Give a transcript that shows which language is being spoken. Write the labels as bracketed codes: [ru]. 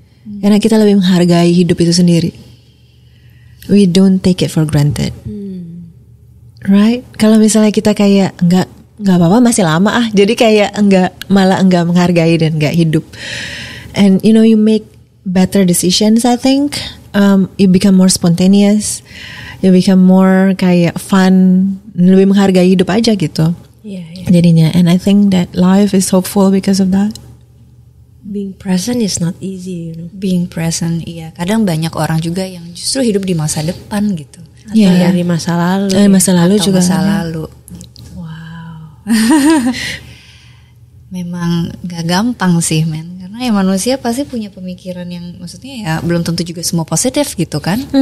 [id] Karena kita lebih menghargai hidup itu sendiri. [en] We don't take it for granted. Right? [id] Kalau misalnya kita kayak enggak apa-apa masih lama ah. Jadi kayak malah enggak menghargai dan enggak hidup. [en] And you know you make better decisions I think. You become more spontaneous. You become more [id] kayak fun, lebih menghargai hidup aja gitu. Jadinya [en] and I think that life is hopeful because of that. Being present is not easy, you know. Being present, iya. [id] Kadang banyak orang juga yang justru hidup di masa depan gitu. Atau yang di masa lalu. Masa lalu juga. Atau masa lalu. Gitu. Wow. Memang gak gampang sih, men. Karena ya manusia pasti punya pemikiran yang, maksudnya ya belum tentu juga semua positif gitu kan.